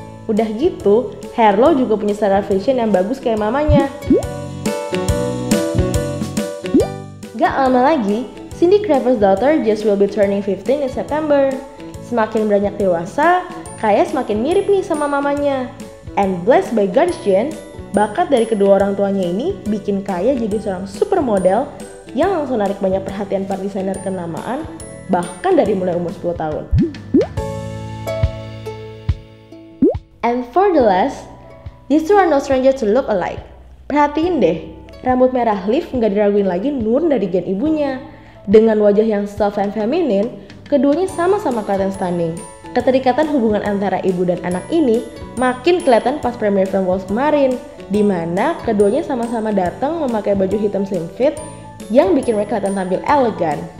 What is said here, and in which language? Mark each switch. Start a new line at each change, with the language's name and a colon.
Indonesian: Udah gitu, Harlow juga punya selera fashion yang bagus kayak mamanya. Gak lama lagi,
English: Cindy Crawford's daughter just will be turning 15 in September.
Indonesian: Semakin beranjak dewasa, kayak semakin mirip nih sama mamanya.
English: And blessed by God's chance,
Indonesian: bakat dari kedua orang tuanya ini bikin kayak jadi seorang supermodel yang langsung narik banyak perhatian para desainer kenamaan, bahkan dari mulai umur 10 tahun.
English: And for the last, these two are no stranger to look alike.
Indonesian: Perhatiin deh, rambut merah Liv nggak diraguin lagi nurun dari gen ibunya. Dengan wajah yang
English: soft and feminine,
Indonesian: keduanya sama-sama kelihatan stunning. Keterikatan hubungan antara ibu dan anak ini makin kelihatan pas premiere film Walls kemarin, di mana keduanya sama-sama datang memakai baju hitam slim fit yang bikin mereka kelihatan tampil elegan.